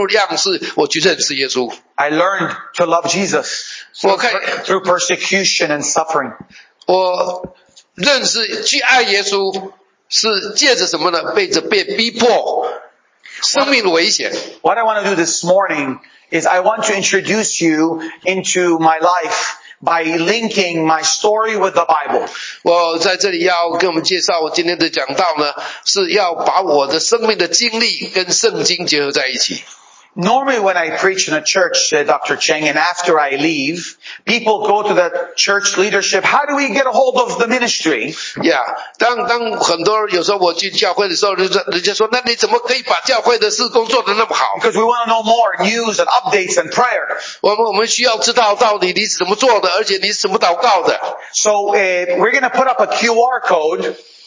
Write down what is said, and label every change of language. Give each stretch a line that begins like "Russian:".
Chinese: 我在那边所学习到的认识耶稣，并不是从书本来的，而是什么呢？从我的父亲还有很多基督徒，他们在那边活出耶稣基督的样式，我去认识耶稣。
English: I learned to love Jesus through persecution and suffering.
Chinese: 我认识去爱耶稣是借着什么呢？背着被逼迫，生命的危险。
English: What I want to do this morning is I want to introduce you into my life by linking my story with the Bible.
Chinese: 我在这里要跟我们介绍我今天的讲道呢，是要把我的生命的经历跟圣经结合在一起。
English: Normally when I preach in a church, Dr. Cheng, and after I leave, people go to the church leadership. How do we get a hold of the ministry?
Chinese: Yeah, 当很多人有时候我去教会的时候，人家说，那你怎么可以把教会的事工做得那么好？
English: Because we want to know more news and updates and prayer.
Chinese: 我们需要知道到底你是怎么做的，而且你是怎么祷告的。
English: So, we're going to put up a QR code.